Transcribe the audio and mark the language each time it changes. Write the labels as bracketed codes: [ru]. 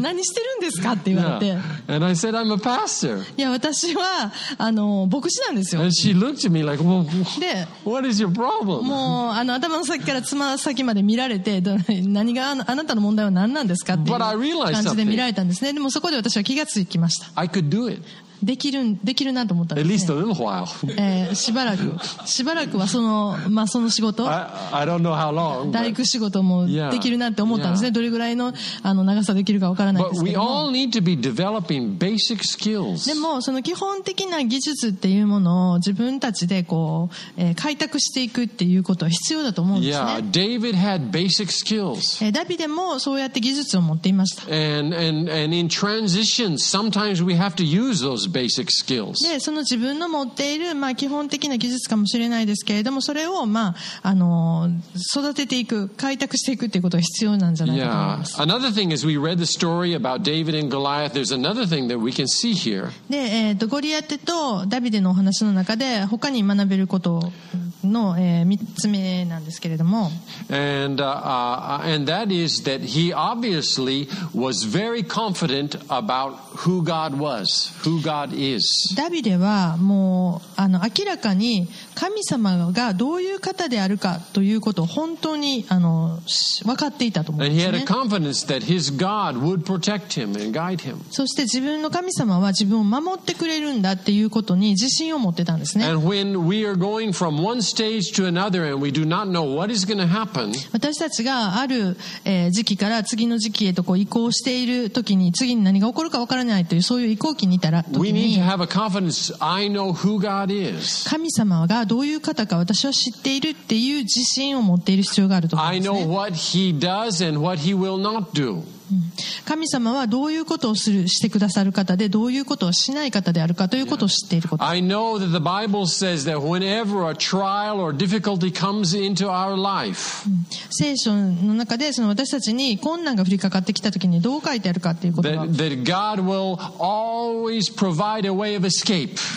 [ja] 何してるんですかって言われて。 [en] Yeah. And I said, I'm a pastor. [ja] いや、私は、牧師なんですよ。 [en] And she looked at me like, well, what is your problem? [ja] もう、頭の先からつま先まで見られて、何が、あなたの問題は何なんですかっていう感じで見られたんですね。でもそこで私は気がつきました。 [en] I could do it. [ja] できるなと思ったんですね、しばらくはその、まあ、その仕事 [en] I don't know how long, [ja] 大工仕事もできるなって思ったんですね [en] yeah, [ja] yeah. どれぐらい の長さできるか分からないですけども [en] But we all need to be developing basic skills. [ja] でもその基本的な技術っていうものを自分たちでこう、開拓していくっていうことは必要だと思うんですね [en] yeah, David had basic skills. [ja] ダビデもそうやって技術を持っていました [en] and in transition sometimes we have to useThose basic skills. [ja] で、その自分の持っている、まあ、基本的な技術かもしれないですけれども、それを、まあ、育てていく、開拓していくということが必要なんじゃないかと思います。 [en] Yeah. Another thing is we read the story about David and Goliath. There's another thing that we can see here. [ja] で、ゴリアテとダビデのお話の中で、他に学べることの、3つ目なんですけれども。 [en] And that is that he obviously was very confident about who God was. Who God is. [ja] ダビデはもう明らかに神様がどういう方であるかということを本当に分かっていたと思うんですね。 [en] And he had a confidence that his God would protect him and guide him. [ja] そして自分の神様は自分を守ってくれるんだっていうことに自信を持ってたんですね。 [en] And when we are going from one stage to another and we do not know what is going to happen, [ja] 私たちがある時期から次の時期へとこう移行しているときに次に何が起こるか分からないというそういう移行期に [en] We need to have a confidence. I know who God is. [ja] 神様がどういう方か私は知っているっていう自信を持っている必要があると思うんですね。 [en] I know what He does and what He will not do. [ja] 神様はどういうことをするしてくださる方でどういうことをしない方であるかということを知っていること。 [en] I know that the Bible says that whenever a trial or difficulty comes into our life. [ja] 聖書の中でその私たちに困難が降りかかってきたときにどう書いてあるかということが。 [en] That God will always provide a way of escape.